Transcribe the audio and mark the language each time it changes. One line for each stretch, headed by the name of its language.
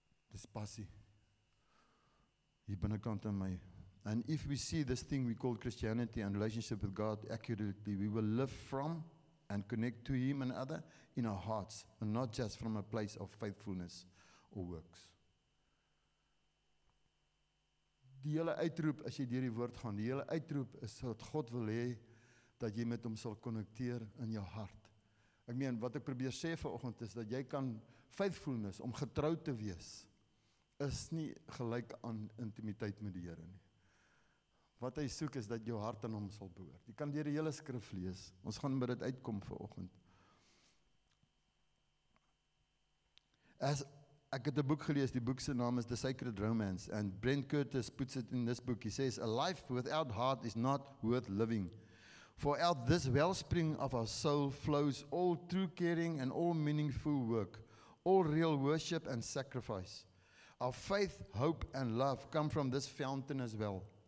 Afrikaans: Dis passie. Hier binnekant in my.
English: And if we see this thing we call Christianity and relationship with God accurately, we will live from and connect to Him and other in our hearts, and not just from a place of faithfulness or works.
Afrikaans: Die hele uitroep, as jy deur die woord gaan, die hele uitroep is dat God wil hê dat jy met Hom sal konnekteer in jou hart. Ek meen, wat ek probeer sê vanoggend is dat jy kan faithfulness, om getrou te wees, is nie gelyk aan intimiteit met die Here nie. Wat hy soek is dat jou hart aan hom sal behoort. Jy kan deur die hele skrif lees. Ons gaan met dit uitkom vanoggend. Ek het 'n boek gelees, die boek se naam is The Sacred Romance,
English: and Brent Curtis puts it in this book. He says, a life without heart is not worth living. For out this wellspring of our soul flows all true caring and all meaningful work, all real worship and sacrifice. Our faith, hope, and love come from this fountain as well.